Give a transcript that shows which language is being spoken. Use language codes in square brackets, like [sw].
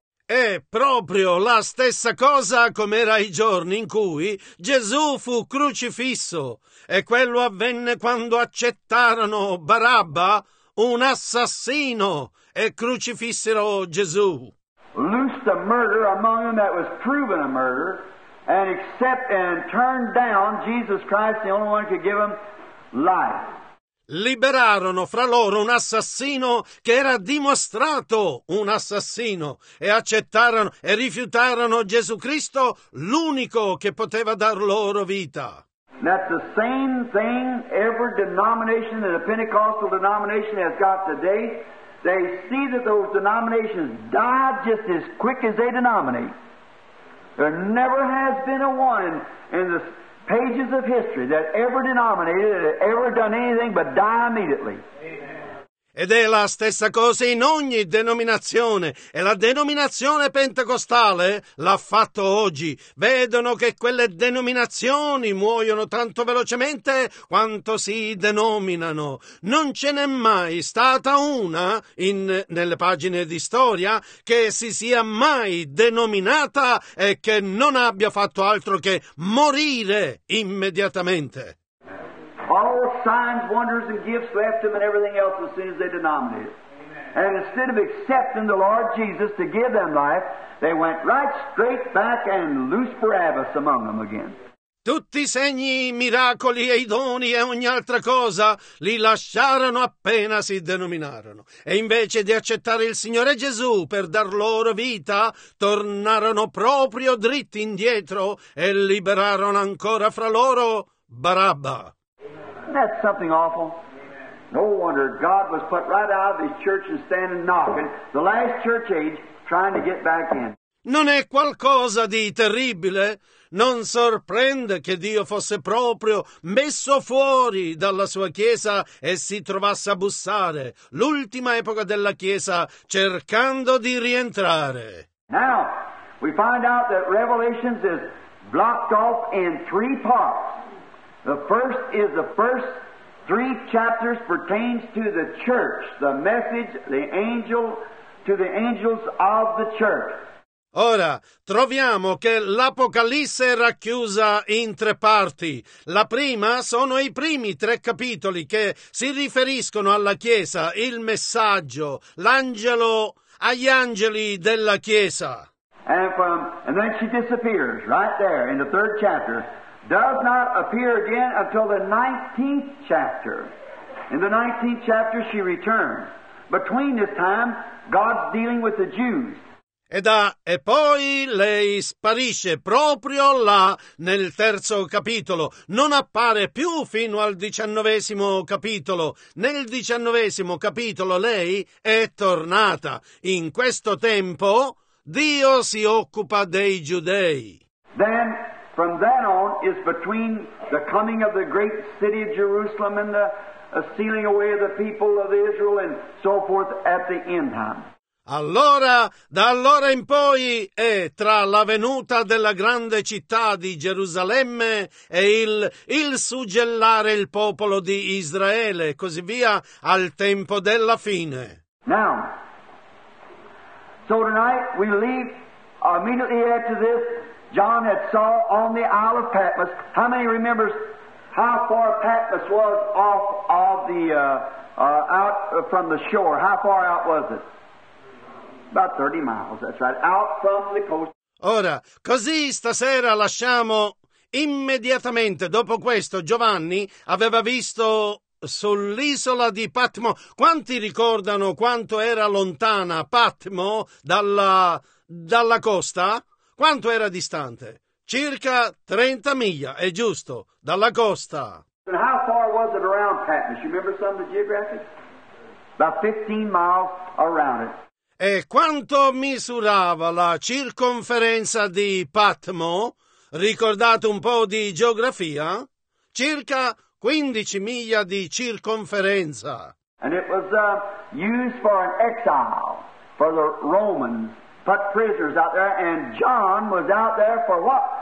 [it] È proprio la stessa cosa come era i giorni in cui Gesù fu crucifisso. E quello avvenne quando accettarono Barabba, un assassino, e crucifissero Gesù. [en] Loosed a murderer among them that was proven a murderer, and accept and turned down Jesus Christ, the only one who could give him life. [it] Liberarono fra loro un assassino che era dimostrato un assassino e accettarono e rifiutarono Gesù Cristo, l'unico che poteva dar loro vita. [en] That's the same thing every denomination and the Pentecostal denomination has got today. They see that those denominations died just as quick as they denominate. There never has been a one in the pages of history that ever denominated, that ever done anything but die immediately. [it] Ed è la stessa cosa in ogni denominazione, e la denominazione pentecostale l'ha fatto oggi. Vedono che quelle denominazioni muoiono tanto velocemente quanto si denominano. Non ce n'è mai stata una, nelle pagine di storia, che si sia mai denominata e che non abbia fatto altro che morire immediatamente. [en] all signs, wonders, and gifts left them and everything else as soon as they denominated. And instead of accepting the Lord Jesus to give them life, they went right straight back and loose Barabbas among them again. [it] Tutti i segni, i miracoli e i doni e ogni altra cosa li lasciarono appena si denominarono. E invece di accettare il Signore Gesù per dar loro vita, tornarono proprio dritti indietro e liberarono ancora fra loro Barabba. [en] That's something awful. No wonder God was put right out of his church and standing knocking, the last church age, trying to get back in. [it] Non è qualcosa di terribile? Non sorprende che Dio fosse proprio messo fuori dalla sua chiesa e si trovasse a bussare, l'ultima epoca della chiesa, cercando di rientrare. [en] Now, we find out that Revelation is blocked off in three parts. The first is the first three chapters pertains to the church, the message, the angel, to the angels of the church. [it] Ora, troviamo che l'Apocalisse è racchiusa in tre parti. La prima sono i primi tre capitoli che si riferiscono alla Chiesa, il messaggio, l'angelo, agli angeli della Chiesa. [en] And then she disappears, right there, in the third chapter. Does not appear again until the 19th chapter. In the 19th chapter she returns. Between this time, God's dealing with the Jews. [it] E poi lei sparisce proprio là nel terzo capitolo. Non appare più fino al 19° capitolo. Nel 19° capitolo lei è tornata. In questo tempo Dio si occupa dei giudei. [en] Then, from then on, is between the coming of the great city of Jerusalem and the sealing away of the people of Israel and so forth at the end time. [it] Allora, da allora in poi, è tra la venuta della grande città di Gerusalemme e il suggellare il popolo di Israele, e così via, al tempo della fine. [en] Now, so tonight we leave immediately after this, John had saw on the Isle of Patmos. How many remembers how far Patmos was off of the, out from the shore? How far out was it? About 30 miles, that's right, out from the coast. [it] Ora, così stasera lasciamo immediatamente dopo questo. Giovanni aveva visto sull'isola di Patmo. Quanti ricordano quanto era lontana Patmo dalla costa? Quanto era distante? Circa 30 miglia, è giusto, dalla costa. [en] And how far was it around Patmos? You remember some of the geography? About 15 miles around it. [it] E quanto misurava la circonferenza di Patmo? Ricordate un po' di geografia? Circa 15 miglia di circonferenza. [en] And it was used for an exile for the Romans. Put prisoners out there, and John was out there for what?